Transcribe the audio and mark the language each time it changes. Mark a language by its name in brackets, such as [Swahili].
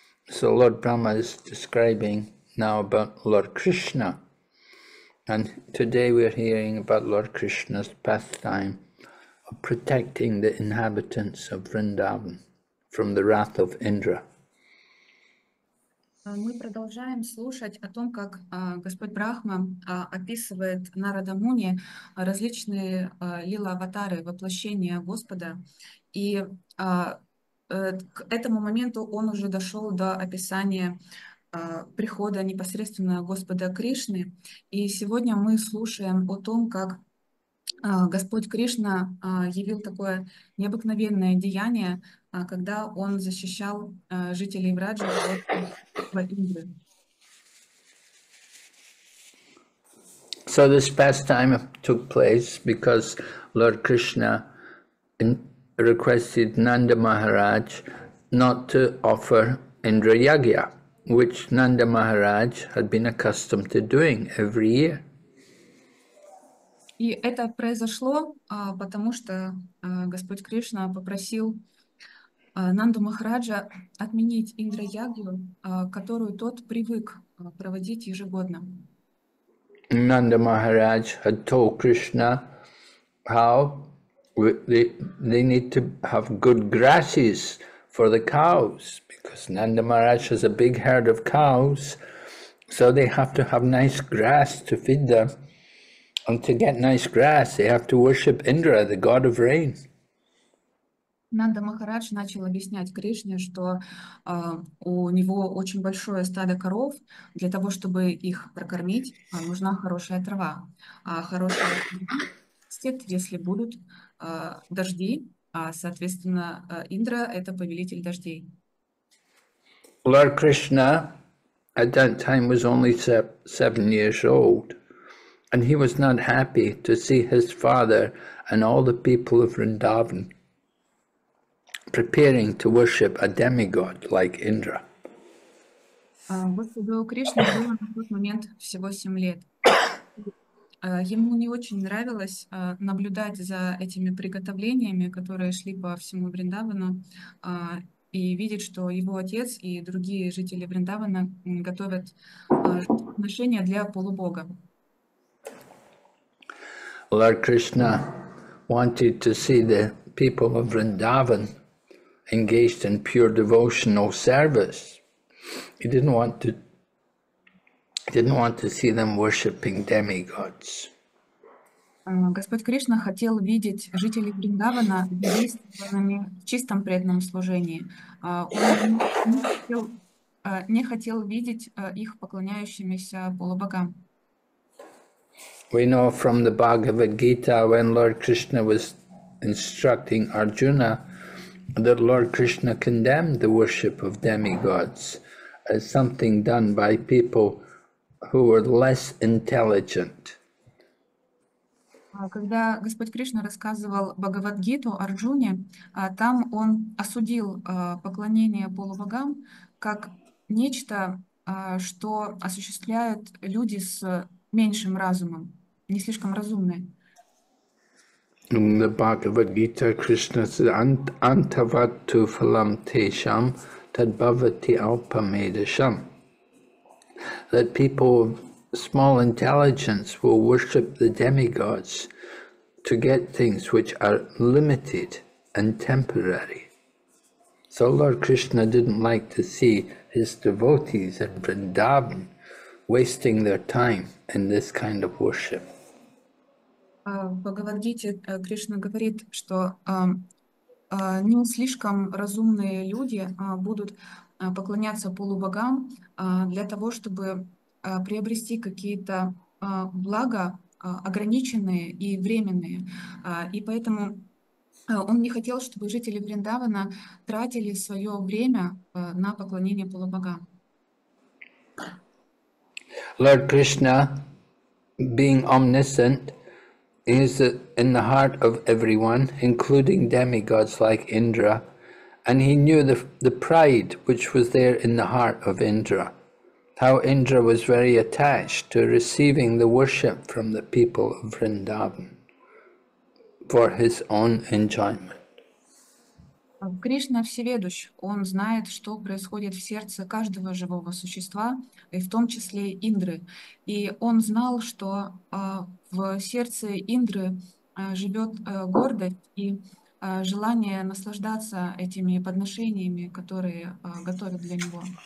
[English] So Lord Brahma is describing now about Lord Krishna. And today we are hearing about Lord Krishna's pastime of protecting the inhabitants of Vrindavan from the wrath of Indra. [Russian] Мы продолжаем слушать о том, как Господь Брахма описывает Нарада Муни различные лила-аватары, воплощения Господа. И к этому моменту он уже дошел до описания прихода непосредственно Господа Кришны. И сегодня мы слушаем о том, как Господь Кришна явил такое необыкновенное деяние, когда он защищал жителей Враджи от Индры. [English] So this pastime took place because Lord Krishna requested Nanda Maharaj not to offer Indra Yagya, which Nanda Maharaj had been accustomed to doing every year. [Russian] И это произошло, потому что Господь Кришна попросил Нанда Махараджа отменить Индра-ягью, которую тот привык проводить ежегодно. [English] Nanda Maharaj had told Krishna how they need to have good grasses for the cows, because Nanda Maharaj has a big herd of cows, so they have to have nice grass to feed them. And to get nice grass, they have to worship Indra, the god of rain. [Russian] Нанда Махарадж начал объяснять Кришне, что у него очень большое стадо коров. Для того, чтобы их прокормить, нужна хорошая трава. А хорошая трава растет, если будут дожди, а, соответственно, Индра — это повелитель дождей. [English] Lord Krishna at that time was only 7 years old, and he was not happy to see his father and all the people of Vrindavan preparing to worship a demigod like Indra. [Russian] Господу Кришне было на тот момент всего 7 лет. Ему не очень нравилось наблюдать за этими приготовлениями, которые шли по всему Вриндавану, и видеть, что его отец и другие жители Вриндавана готовят отношения для полубога. [English] Lord Krishna wanted to see the people of Vrindavan engaged in pure devotional service. He didn't want to see them worshipping demigods. [Russian] Господь Кришна хотел видеть жителей Вриндавана в чистом преданном служении. Он не хотел видеть их поклоняющимися полубогам. [English] We know from the Bhagavad Gita when Lord Krishna was instructing Arjuna that Lord Krishna condemned the worship of demigods as something done by people who were less intelligent. [Russian] Когда Господь Кришна рассказывал Бхагавад-гиту Арджуне, там он осудил поклонение полубогам как нечто, что осуществляют люди с меньшим разумом, не слишком разумные. [English] In the Bhagavad-gita, Krishna said, [Sanskrit] antavattu phalam tesham tadbhavati alpamedasham. [English] That people of small intelligence will worship the demigods to get things which are limited and temporary. So Lord Krishna didn't like to see his devotees in Vrindavan wasting their time in this kind of worship. [Russian] В Бхагавад-гите Кришна говорит, что не слишком разумные люди будут поклоняться полубогам для того, чтобы приобрести какие-то блага, ограниченные и временные. И поэтому он не хотел, чтобы жители Вриндавана тратили свое время на поклонение полубогам. [English] Lord Krishna, being omniscient, is in the heart of everyone, including demigods like Indra, and he knew the pride which was there in the heart of Indra, how Indra was very attached to receiving the worship from the people of Vrindavan for his own enjoyment. [Russian] Кришна всеведущ, он знает, что происходит в сердце каждого живого существа, и в том числе Индры. И он знал, что в сердце Индры живет гордость и желание наслаждаться этими подношениями, которые готовят для него.